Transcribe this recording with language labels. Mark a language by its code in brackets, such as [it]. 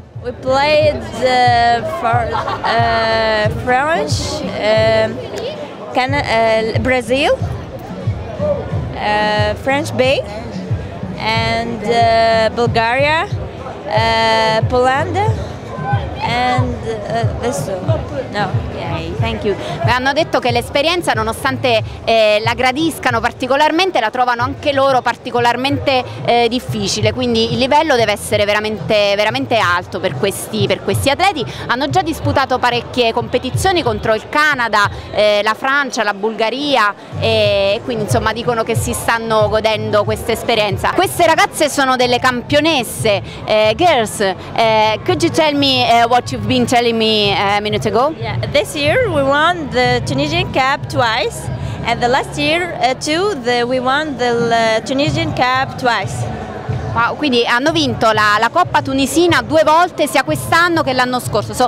[en] We played for France, Brazil, French Bay, and Bulgaria, Poland, and this one. No. Thank you. [it] Hanno detto che l'esperienza, nonostante la gradiscano particolarmente, la trovano anche loro particolarmente difficile, quindi il livello deve essere veramente, veramente alto per questi atleti. Hanno già disputato parecchie competizioni contro il Canada, la Francia, la Bulgaria e quindi insomma dicono che si stanno godendo questa esperienza. Queste ragazze sono delle campionesse. [en] Girls, could you tell me what you've been telling me a minute ago? Yeah, this year we won the Tunisian Cup twice, and the last year we won the Tunisian Cup twice. [it] Wow, quindi hanno vinto la Coppa Tunisina due volte sia quest'anno che l'anno scorso.